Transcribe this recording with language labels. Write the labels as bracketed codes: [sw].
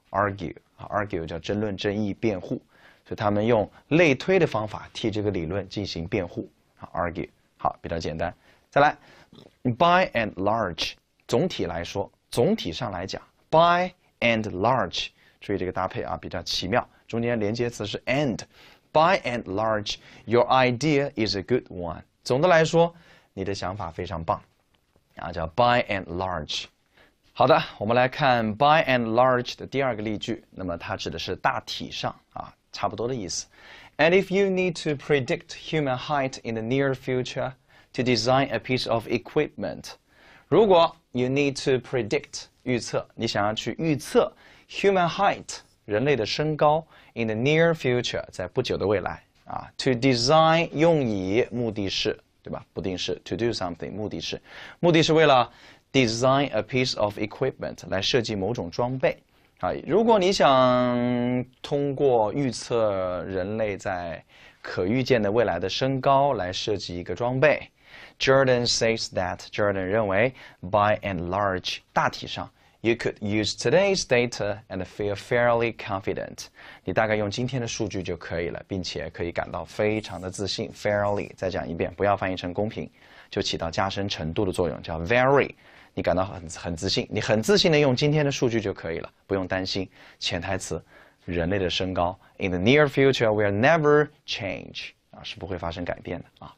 [zh] argue 叫争论、争议、辩护，所以他们用类推的方法替这个理论进行辩护。 argue 好，比较简单。再来 ， [en] by and large， [zh] 总体来说，总体上来讲 ，by and large， 注意这个搭配啊，比较奇妙，中间连接词是 and。 [en] By and large, your idea is a good one. [zh] 总的来说，你的想法非常棒。啊，叫 by and large。好的，我们来看 by and large 的第二个例句。那么它指的是大体上啊，差不多的意思。 [en] And if you need to predict human height in the near future to design a piece of equipment, [zh] 如果 [en] you need to predict [zh] 预测，你想要去预测 [en] human height [zh] 人类的身高。 [en] In the near future， [zh] 在不久的未来啊。 [en] To design [zh] 用以，目的是，对吧？不定式。 [en] To do something [zh] 目的是为了 [en] design a piece of equipment [zh] 来设计某种装备啊。如果你想通过预测人类在可预见的未来的身高来设计一个装备， [en] Jordan says that [zh] Jordan 认为 [en] by and large [zh] 大体上。 [en] You could use today's data and feel fairly confident. [zh] 你大概用今天的数据就可以了，并且可以感到非常的自信。 Fairly 再讲一遍，不要翻译成公平，就起到加深程度的作用，叫 very。你感到很自信，你很自信的用今天的数据就可以了，不用担心。潜台词：人类的身高 [en] in the near future will never change [zh] 啊，是不会发生改变的啊。